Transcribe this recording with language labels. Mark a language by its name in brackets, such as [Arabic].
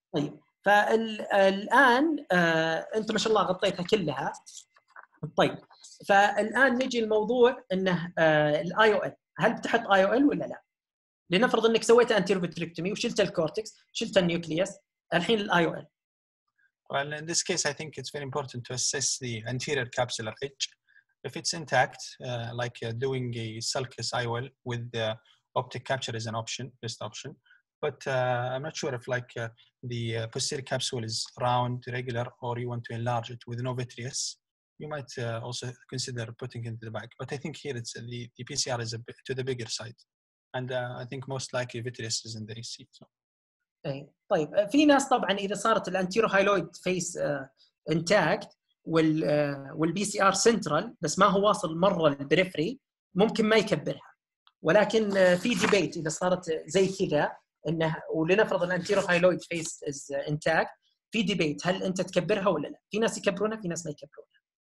[Arabic] طيب فالآن أنت ما شاء الله غطيتها كلها. طيب فالآن نجي الموضوع أنه IOL، هل بتحط IOL ولا لا؟ لنفرض أنك سويت anterior vitrectomy وشلت الكورتكس شلت النيوكليوس، الحين IOL. [English] Well, in this case I think it's very important to assess the anterior capsular edge. If it's intact, like doing a sulcus IOL with the optic capture is an option, best option. But I'm not sure if like the posterior capsule is round, regular, or you want to enlarge it with no vitreous, you might also consider putting it in the back. But I think here it's the PCR is to the bigger side. And I think most likely vitreous is in the AC. So. [Arabic] طيب في ناس طبعا إذا صارت الانتيرو هايلويد فيس انتاكت والPCR سنترال بس ما هو واصل مرة البريفري ممكن ما يكبرها. ولكن في ديبيت إذا صارت زي كذا انه ولنفرض ان انتيرو هايلويد فيس از انتاكت، في ديبيت هل انت تكبرها ولا لا؟ في ناس يكبرونها في ناس ما يكبرونها.